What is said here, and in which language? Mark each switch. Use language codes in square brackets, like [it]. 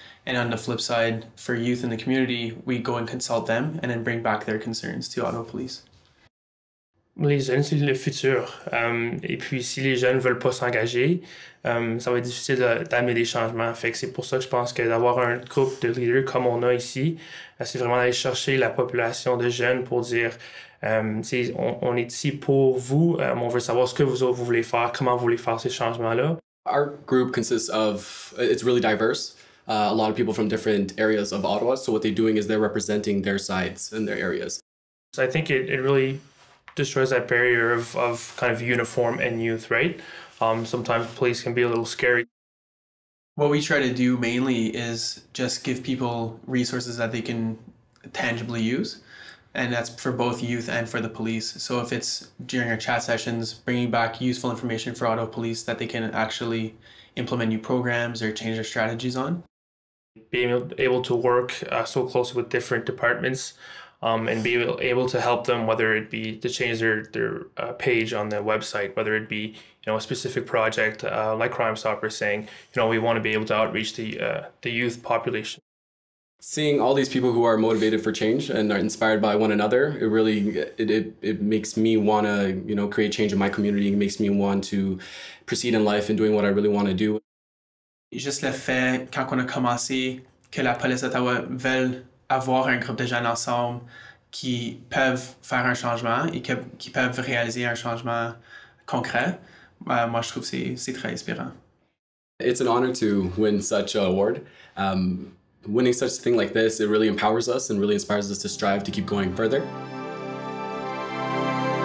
[en] And on the flip side, for youth in the community, we go and consult them and then bring back their concerns to Ottawa police. [fr] Les jeunes, c'est le futur. Et puis, si les jeunes veulent pas s'engager, ça va être difficile d'amener des changements. Fait que c'est pour ça que je pense que d'avoir un groupe de leaders comme on a ici, c'est vraiment d'aller chercher la population de jeunes pour dire, on est ici pour vous. On veut savoir ce que vous autres, vous voulez faire, comment vous voulez faire ces changements-là. [en] Our group consists of, it's really diverse. A lot of people from different areas of Ottawa. So what they're doing is they're representing their sides and their areas. So I think it really destroys that barrier of kind of uniform and youth, right? Sometimes police can be a little scary. What we try to do mainly is just give people resources that they can tangibly use. And that's for both youth and for the police. So if it's during our chat sessions, bringing back useful information for Ottawa police that they can actually implement new programs or change their strategies on. Being able to work so closely with different departments and be able to help them, whether it be to change their page on the website, whether it be, you know, a specific project like Crime Stopper saying, you know, we want to be able to outreach the youth population. Seeing all these people who are motivated for change and are inspired by one another, it really makes me want to, you know, create change in my community. It makes me want to proceed in life and doing what I really want to do. [fr] Juste le fait, quand on a commencé, que la police d'Ottawa veulent avoir un groupe de jeunes ensemble qui peuvent faire un changement et qui peuvent réaliser un changement concret, moi je trouve que c'est très inspirant. [en] It's an honor to win such an award. Winning such a thing like this, it really empowers us and really inspires us to strive to keep going further.